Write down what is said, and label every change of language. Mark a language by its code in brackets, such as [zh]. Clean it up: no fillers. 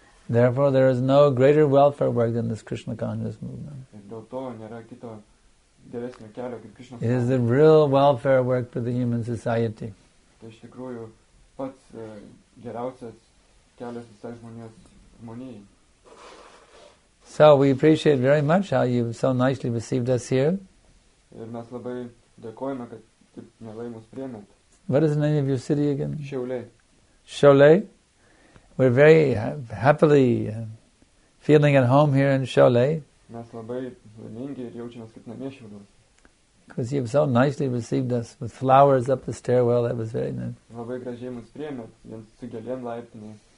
[en] Therefore, there is no greater welfare work than this Krishna consciousness movement. [lt] Ir dėl to nėra kito geresnio kelio kaip Krishna. [en] It is the real welfare work for the human society. [lt] Tai iš tikrųjų pats geriausias kelias visai žmonijai. [en] So we appreciate very much how you so nicely received us here. [lt] Ir mes labai dėkojame, kad taip mielai mus priėmėt. [en] What is the name of your city again? [lt] Šiauliai. Šiauliai? [en] We're very happily feeling at home here in Šiauliai. [lt] Mes labai laimingi ir jaučiamės kaip namie Šiauliuose. [en] Because you've so nicely received us with flowers up the stairwell, that was very nice. [lt] Labai gražiai mus priėmėt, jiems su gėlėm laiptinėje.